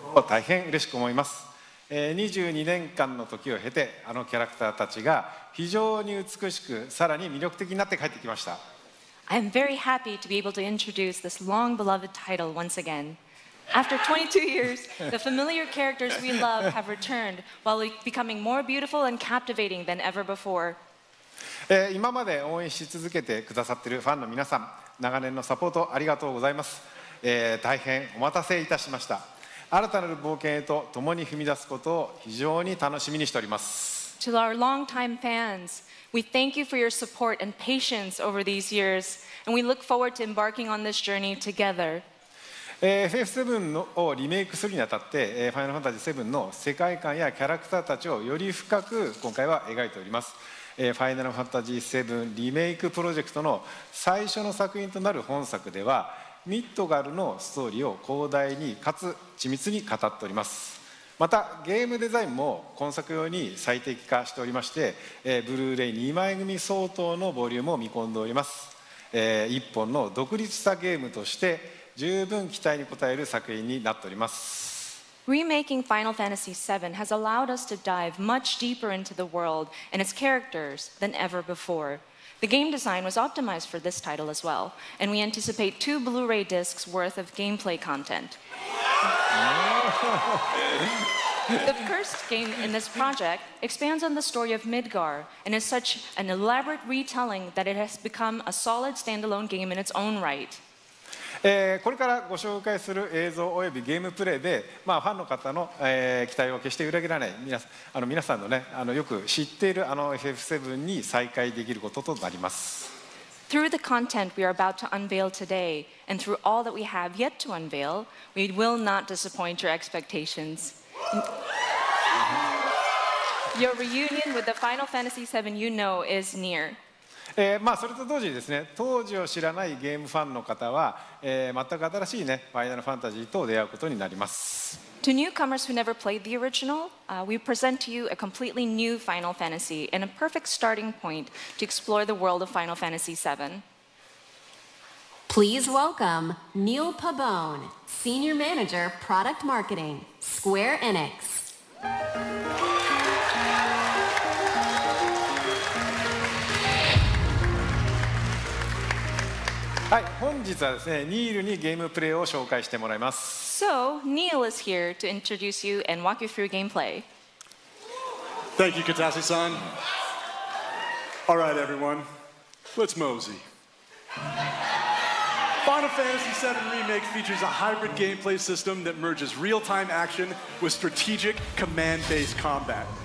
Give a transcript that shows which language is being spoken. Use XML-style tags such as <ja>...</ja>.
<en>I'm very happy to be able to introduce this long beloved title once again. After 22 years, the familiar characters we love have returned while becoming more beautiful and captivating than ever before.</en> <ja>今まで応援し続けてくださっているファンの皆さん、長年のサポートありがとうございます。大変お待たせいたしました。新たなる冒険へと共に踏み出すことを非常に楽しみにしております。</ja> <en>To our long-time fans, we thank you for your support and patience over these years, and we look forward to embarking on this journey together.</en> <ja>FF7 をリメイクするにあたって、ファイナルファンタジー7の世界観やキャラクターたちをより深く今回は描いております。ファイナルファンタジー7リメイクプロジェクトの最初の作品となる本作では、ミッドガルのストーリーを広大にかつ緻密に語っております。またゲームデザインも今作用に最適化しておりまして、ブルーレイ2枚組相当のボリュームを見込んでおります。一本の独立したゲームとして十分期待に応える作品になっております。</ja> <en>Remaking Final Fantasy VII has allowed us to dive much deeper into the world and its characters than ever before. The game design was optimized for this title as well, and we anticipate two Blu-ray discs worth of gameplay content. The first game in this project expands on the story of Midgar and is such an elaborate retelling that it has become a solid standalone game in its own right.</en> <ja>これからご紹介する映像およびゲームプレイで、まあ、ファンの方の、期待を決して裏切らない皆さんの、ね、よく知っているFF7 に再会できることとなります。</ja> <en>Through the content we are about to unveil today and through all that we have yet to unveil, we will not disappoint your expectations. Your reunion with the Final Fantasy VII you know is near.</en> <ja>まあ、それと同時にですね、当時を知らないゲームファンの方は、全く新しいね、ファイナルファンタジーと出会うことになります。</ja> <en>To newcomers who never played the original, we present to you a completely new Final Fantasy and a perfect starting point to explore the world of Final Fantasy VII. Please welcome Neil Pabon, Senior Manager, Product Marketing, Square Enix.</en> <ja>はい、本日はですね、ニールにゲームプレイを紹介してもらいます。</ja> <en>So, Neil is here to introduce you and walk you through gameplay. Thank you, Kitase-san. All right, everyone. Let's mosey. Final Fantasy VII Remake features a hybrid gameplay system that merges real-time action with strategic, command-based combat.</en>